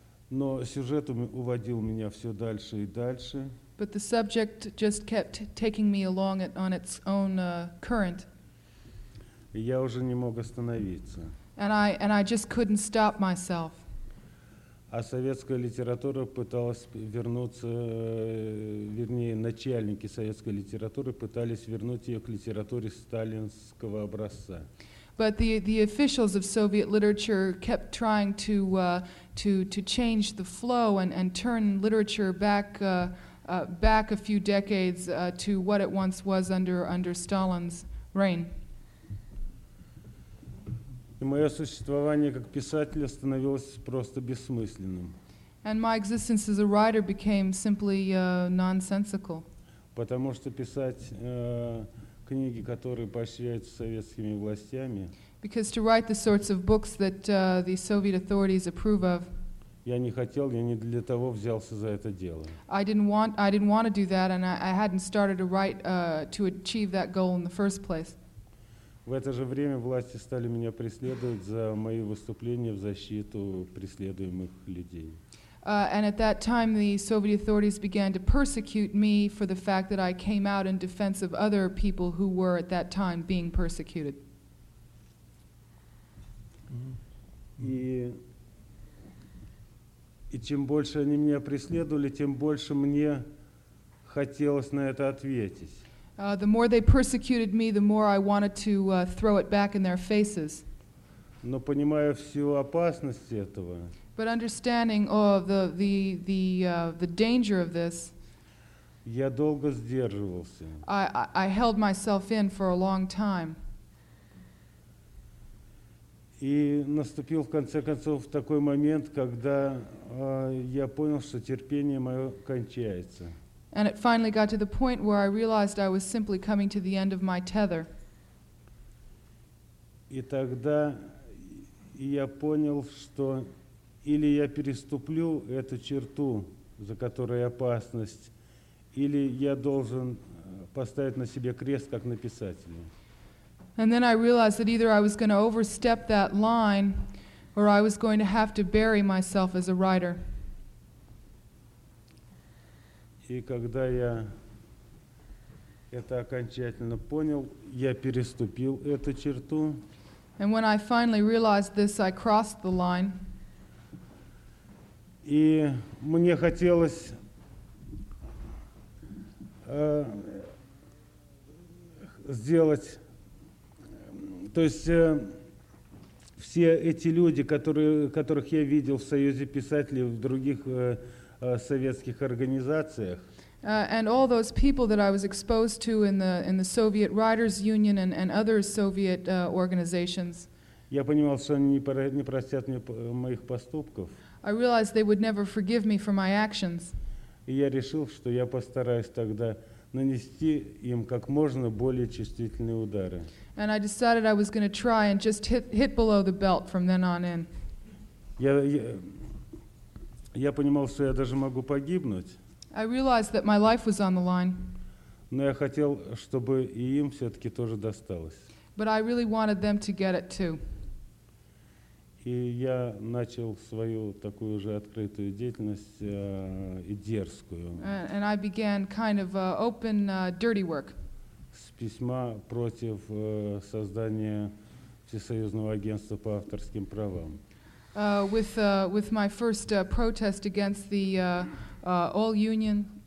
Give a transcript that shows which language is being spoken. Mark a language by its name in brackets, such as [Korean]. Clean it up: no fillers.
[Russian] Но сюжет уводил меня все дальше и дальше. [English] But the subject just kept taking me along on its own current. [Russian] я уже не мог остановиться. [English] And I just couldn't stop myself. [Russian] А советская литература пыталась вернуться, вернее, начальники советской литературы пытались вернуть ее к литературе сталинского образца. [English] But the officials of Soviet literature kept trying to change the flow and turn literature back a few decades to what it once was under Stalin's reign. [Russian] И мое существование как писателя становилось просто бессмысленным. [English] And my existence as a writer became simply nonsensical. [Russian] Потому что писать книги, которые поощряются советскими властями. [English] Because to write the sorts of books that the Soviet authorities approve of. [Russian] Я не хотел, я не для того взялся за это дело. [English] I didn't want to do that, and I hadn't started to write to achieve that goal in the first place. [Russian] В это же время власти стали меня преследовать за мои выступления в защиту преследуемых людей. [English] And at that time the Soviet authorities began to persecute me for the fact that I came out in defense of other people who were at that time being persecuted. [Russian] И чем больше они меня преследовали, тем больше мне хотелось на это ответить. [English] The more they persecuted me, the more I wanted to throw it back in their faces. [Russian] Но понимая всю опасность этого, [English] but understanding the danger of this, [Russian] я долго сдерживался. [English] I held myself in for a long time. [Russian] И наступил в конце концов такой момент, когда я понял, что терпение мое кончается. [English] And it finally got to the point where I realized I was simply coming to the end of my tether. [Russian] И тогда я понял, что или я переступлю эту черту, за которой опасность, или я должен поставить на себе крест, как на писателе. [English] And then I realized that either I was going to overstep that line, or I was going to have to bury myself as a writer. [Russian] И когда я это окончательно понял, я переступил эту черту. [English] And when I finally realized this, I crossed the line. [Russian] И мне хотелось сделать, то есть все эти люди, которых я видел в Союзе писателей, в других советских организациях. [English] And all those people that I was exposed to in the Soviet Writers Union and other Soviet organizations. [Russian] Я понимал, что они не простят мне моих поступков. [English] I realized they would never forgive me for my actions. [Russian] И я решил, что я постараюсь тогда нанести им как можно более чувствительные удары. [English] And I decided I was going to try and just hit below the belt from then on in. [Russian] Я понимал, что я даже могу погибнуть. [English] I realized that my life was on the line. [Russian] Но я хотел, чтобы и им все-таки тоже досталось. [English] But I really wanted them to get it too. [Russian] И я начал свою такую же открытую деятельность и дерзкую. [English] And I began kind of open dirty work. [Russian] С письма против создания Всесоюзного агентства по авторским правам. [English] With my first protest against the all union.